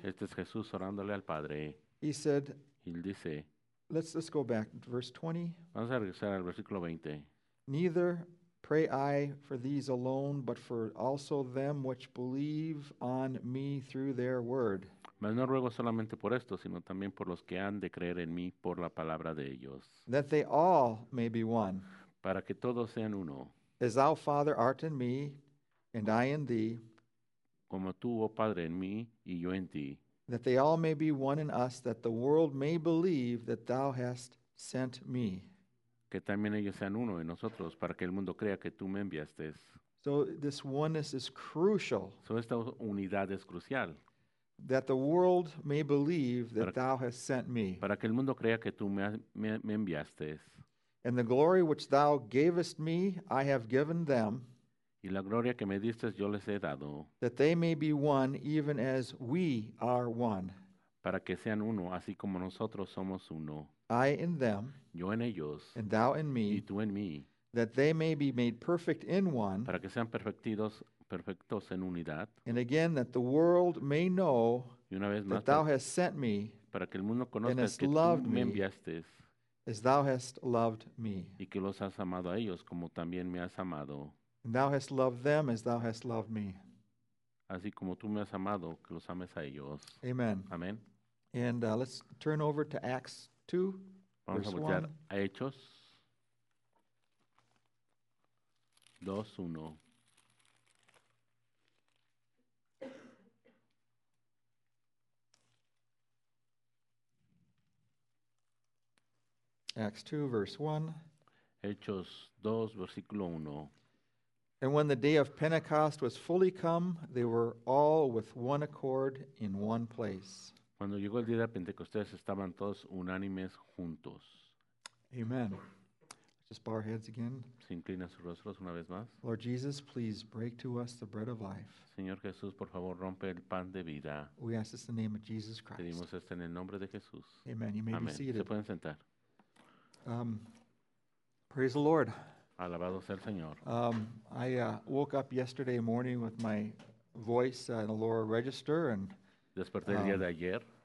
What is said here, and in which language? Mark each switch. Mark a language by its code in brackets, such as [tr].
[es] Este es Jesús orándole al Padre. [en] He said, [es] Él dice, [en] let's go back to verse 20. [es] Vamos a regresar al versículo 20. [en] Neither pray I for these alone, but for also them which believe on me through their word. [es] Mas no ruego solamente por esto, sino también por los que han de creer en mí por la palabra de ellos. [en] That they all may be one. [es] Para que todos sean uno. [en] As thou, Father, art in me, and I in thee. [es] Como tú, oh Padre, en mí, y yo en ti. [en] That they all may be one in us, that the world may believe that thou hast sent me. [es] Que también ellos sean uno en nosotros, para que el mundo crea que tú me enviaste. [en] So this oneness is crucial. [es] So esta unidad es crucial. [en] That the world may believe that thou hast sent me. [es] Para que el mundo crea que tú me enviaste. [en] And the glory which thou gavest me, I have given them. [es] Y la gloria que me diste, yo les he dado. [en] That they may be one, even as we are one. [es] Para que sean uno, así como nosotros somos uno. [en] I in them. [es] Yo en ellos. [en] And thou in me. [es] Y tú en mí. [en] That they may be made perfect in one. [es] Para que sean perfectos en unidad. [en] And again, that the world may know that thou hast sent me. [es] Para que el mundo conozca que tú me enviaste. [en] As thou hast loved me. [es] Y que los has amado a ellos como también me has amado. [en] And thou hast loved them as thou hast loved me. [es] Así como tú me has amado, que los ames a ellos. [en] Amen. [es] Amen. [en] And let's turn over to Acts 2. [es] Vamos a voltear a Hechos 2:1. [en] Acts 2, verse 1. [es] Hechos 2, versículo 1. [en] And when the day of Pentecost was fully come, they were all with one accord in one place. [es] Cuando llegó el día de Pentecostés, estaban todos unánimes juntos. [en] Amen. Just bow our heads again. [es] Se inclina sus rostros una vez más. [en] Lord Jesus, please break to us the bread of life. [es] Señor Jesús, por favor, rompe el pan de vida. [en] We ask this in the name of Jesus Christ. [es] Pedimos esto en el nombre de Jesús. [en] Amen. You may [es] Amen. [en] Be seated. [es] Se pueden sentar. [en] Praise the Lord. [es] Alabado sea el Señor. [en] I woke up yesterday morning with my voice in a lower register, and [es] desperté el día de ayer.